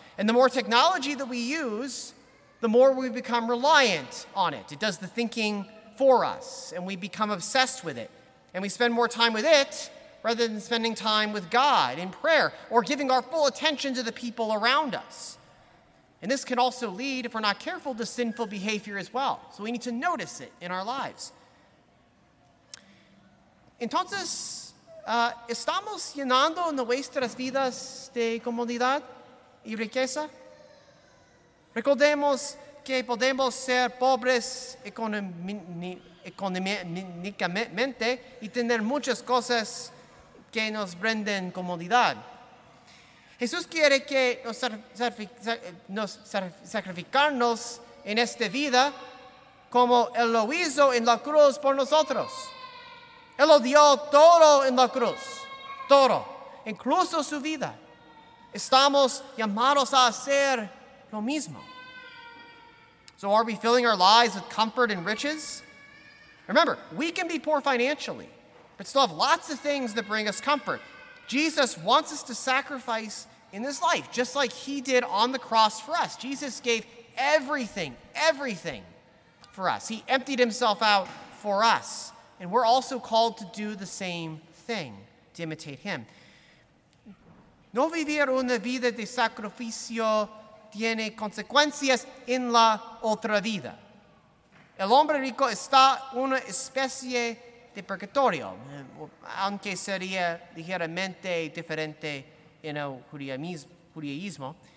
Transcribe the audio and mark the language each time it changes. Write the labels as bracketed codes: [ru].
[en] And the more technology that we use, the more we become reliant on it. It does the thinking for us, and we become obsessed with it. And we spend more time with it rather than spending time with God in prayer or giving our full attention to the people around us. And this can also lead, if we're not careful, to sinful behavior as well. So we need to notice it in our lives. [es] Entonces, ¿estamos llenando nuestras vidas de comodidad y riqueza? Recordemos que podemos ser pobres económicamente y tener muchas cosas que nos brinden comodidad. Jesús quiere que nos sacrificarnos en esta vida como Él lo hizo en la cruz por nosotros. Él lo dio todo en la cruz, todo, incluso su vida. Estamos llamados a hacer lo mismo. [en] So are we filling our lives with comfort and riches? Remember, we can be poor financially, but still have lots of things that bring us comfort. Jesus wants us to sacrifice in this life, just like he did on the cross for us. Jesus gave everything, everything for us. He emptied himself out for us. And we're also called to do the same thing, to imitate him. [es] No vivir una vida de sacrificio tiene consecuencias en la otra vida. El hombre rico está una especie de purgatorio, aunque sería ligeramente diferente en el judaísmo.